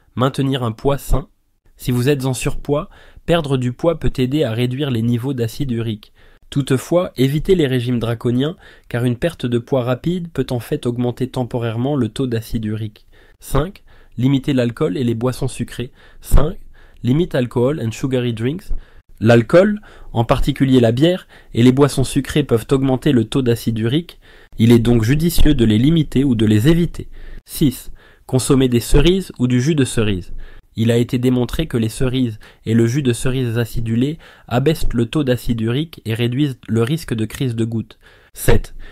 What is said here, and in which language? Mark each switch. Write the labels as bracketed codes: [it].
[fr] Maintenir un poids sain. Si vous êtes en surpoids, perdre du poids peut aider à réduire les niveaux d'acide urique. Toutefois, évitez les régimes draconiens car une perte de poids rapide peut en fait augmenter temporairement le taux d'acide urique. 5. Limitez l'alcool et les boissons sucrées. 5. [en] Limite alcohol and sugary drinks. [fr] L'alcool, en particulier la bière, et les boissons sucrées peuvent augmenter le taux d'acide urique. Il est donc judicieux de les limiter ou de les éviter. 6. Consommer des cerises ou du jus de cerise. Il a été démontré que les cerises et le jus de cerises acidulées abaissent le taux d'acide urique et réduisent le risque de crise de goutte. 7.